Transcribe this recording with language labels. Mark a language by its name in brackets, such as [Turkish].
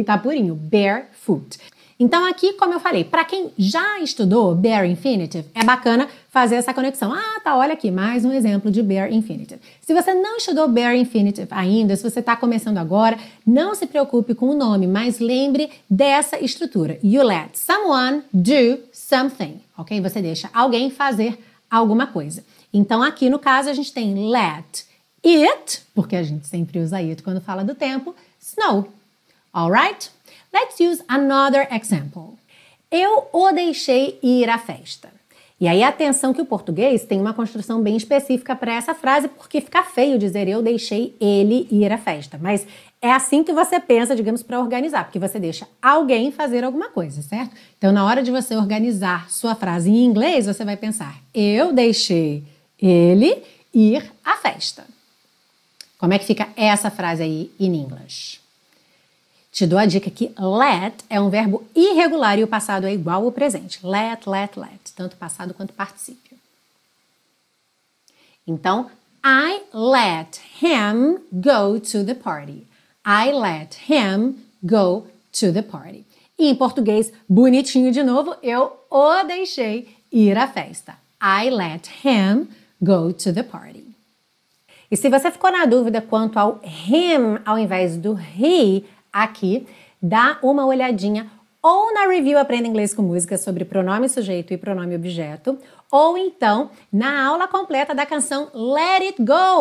[Portuguese] Está purinho, barefoot. Então aqui, como eu falei, para quem já estudou bare infinitive, é bacana fazer essa conexão. Ah, tá, olha aqui, mais um exemplo de bare infinitive. Se você não estudou bare infinitive ainda, se você está começando agora, não se preocupe com o nome, mas lembre dessa estrutura. [English] You let someone do something, ok? [Portuguese] Você deixa alguém fazer alguma coisa. Então aqui no caso a gente tem let it, porque a gente sempre usa it quando fala do tempo, [English] snow, alright? Let's use another example. [Portuguese] Eu o deixei ir à festa. E aí atenção que o português tem uma construção bem específica para essa frase, porque fica feio dizer eu deixei ele ir à festa. Mas é assim que você pensa, digamos, para organizar, porque você deixa alguém fazer alguma coisa, certo? Então na hora de você organizar sua frase em inglês, você vai pensar eu deixei ele ir à festa. Como é que fica essa frase aí [English] in English? [Portuguese] Te dou a dica que let é um verbo irregular e o passado é igual ao presente. Let, let, let. Tanto passado quanto particípio. [English] Então, I let him go to the party. I let him go to the party. [Portuguese] E em português, bonitinho de novo, eu o deixei ir à festa. [English] I let him go to the party. [Portuguese] E se você ficou na dúvida quanto ao him ao invés do he, aqui, dá uma olhadinha ou na review Aprenda Inglês com Música sobre pronome sujeito e pronome objeto, ou então na aula completa da canção Let It Go.